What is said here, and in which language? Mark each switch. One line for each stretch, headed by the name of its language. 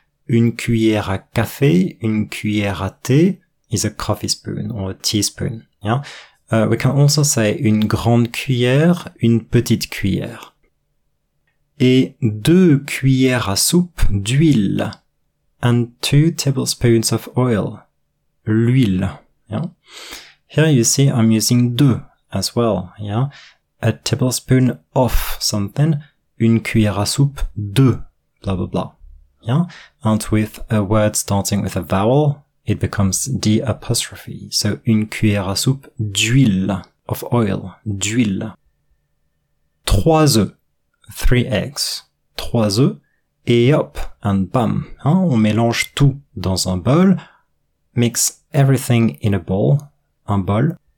French: Une cuillère à café, une cuillère à thé
English: is a coffee spoon or a teaspoon. Yeah? We can also say
French: une grande cuillère, une petite cuillère. Et 2 cuillères à soupe d'huile.
English: And 2 tablespoons of oil. L'huile. Yeah? Here you see I'm using 2 as well. Yeah? A tablespoon of something,
French: une cuillère à soupe de,
English: blah, blah, blah. Yeah? And with a word starting with a vowel, it becomes D apostrophe.
French: So, une cuillère à soupe d'huile,
English: of oil,
French: d'huile. 3 œufs,
English: 3 eggs,
French: 3 œufs, et hop,
English: and bam.
French: Hein? On mélange tout dans un bowl,
English: mix everything in a bowl,
French: un bol.